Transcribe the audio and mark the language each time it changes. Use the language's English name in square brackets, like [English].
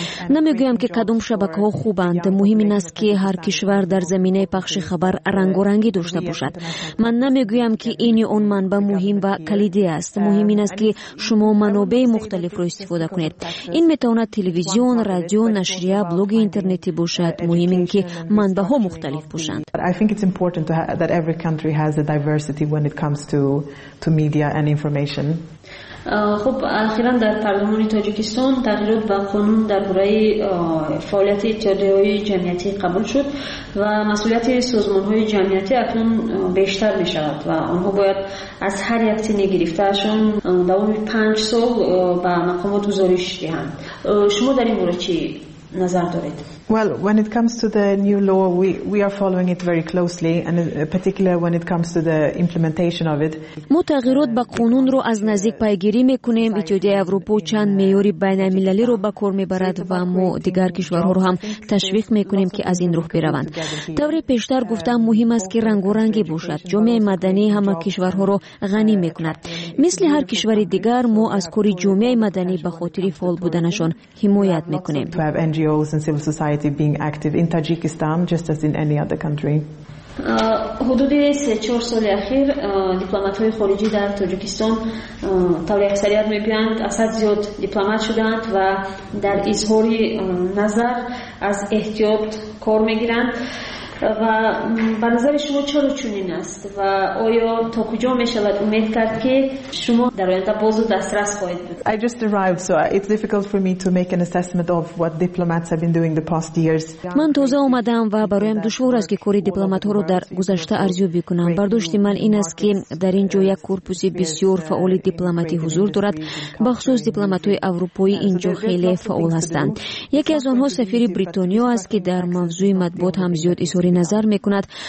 [Persian] نمیگویم که کدام شبکه ها خوبند، مهم این است که هر کشور در زمینه پخش خبر رنگارنگی داشته باشد. من نمیگویم که این یا آن منبع مهم و کلیدی است، مهم این است که شما منابع مختلف رو استفاده کنید. این میتواند تلویزیون، رادیو، نشریه، بلوگ اینترنتی باشد. مهم این که منبع ها مختلف باشند. [English] I think it's important that every country has a diversity when it comes to media and information. [Persian] خب اخیراً در پارلمان تاجیکستان تغییرات به قانون درباره فعالیت اتحادیه‌های جمعیتی قبول شد و مسئولیت سازمان‌های جمعیتی اکنون بیشتر می‌شود و آنها باید از هر یک تنی گرفته‌شون دوام 5 سال به مقامات گزارش دهند. شما در این مورد چی نظر دارید؟ [English] Well, when it comes to the new law, we are following it very closely, and particularly when it comes to the implementation of it. [Persian] مو تغییرات به قانون رو از نزدیک پیگیری میکنیم. اتحادیه اروپا چند معیار بین‌المللی رو به کار میبرد و مو دیگر کشورها رو هم تشویق میکنیم که از این راه بروند. طور پیشتر گفتم مهم است که رنگارنگی باشد. جامعه مدنی همه کشورها رو غنی میکند. مثل هر کشور دیگر مو از کار جامعه مدنی به خاطر فعال بودنشون حمایت میکنیم. [English] To have NGOs and civil society being active in Tajikistan just as in any other country. [Persian] حدود 3-4 سال اخیر دیپلمات‌های خارجی در تاجیکستان طوری اکثریت می‌گویند اسد زیاد دیپلمات شدند و در اظهار نظر از احتیاط کار می‌گیرند و به نظر شما چرا چنین است و آیا تا کجا می‌شود امید کرد که شما در آینده باز دسترس خواهید بود؟ [English] I just arrived, so it's difficult for me to make an assessment of what diplomats have been doing the past years. [Persian] من تازه آمدم و برایم دشوار است که کاری دیپلمات ها رو در گذشته ارزیابی کنم. برداشت من این است که در اینجا یک کورپوس بسیار فعال دیپلماتی حضور دارد، بخصوص دیپلمات های اروپایی اینجا خیلی فعال هستند. یکی از آنها سفیر بریتانیا است که در موضوع مطبوعات هم زیاد طوری نظر میکند.